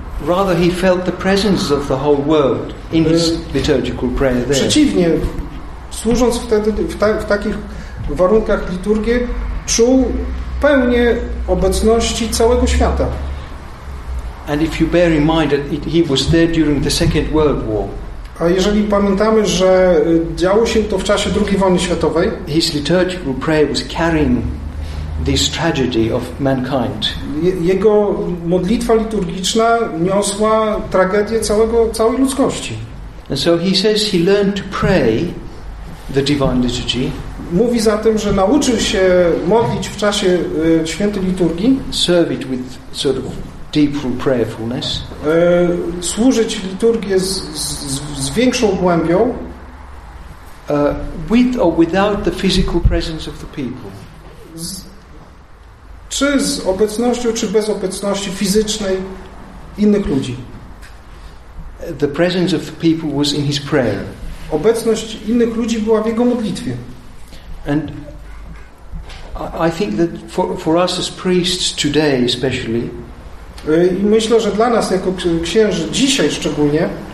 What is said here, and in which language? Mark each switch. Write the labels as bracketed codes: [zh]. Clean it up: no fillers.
[en] Rather he felt the presence of the whole world in his liturgical prayer there. [pl] Przeciwnie, służąc wtedy w takich warunkach liturgii, czuł pełnię obecności całego świata. [en] And if you bear in mind that he was there during the Second World War. [pl] A jeżeli pamiętamy, że działo się to w czasie II wojny światowej, [en] his liturgical prayer was carrying this tragedy of mankind. [pl] Jego modlitwa liturgiczna niosła tragedię całej ludzkości. [en] And so he says he learned to pray the divine liturgy. [pl] Mówi zatem, że nauczył się modlić w czasie świętej liturgii. [en] Serve it with sort of deeper prayerfulness. [pl] Służyć liturgię z większą głębią, [en] with or without the physical presence of the people. [pl] Czy z obecnością, czy bez obecności fizycznej innych ludzi. [en] The presence of the people was in his prayer. [pl] Obecność innych ludzi była w jego modlitwie. [en] And I think that for us as priests today especially, [pl] i myślę, że dla nas jako księży dzisiaj szczególnie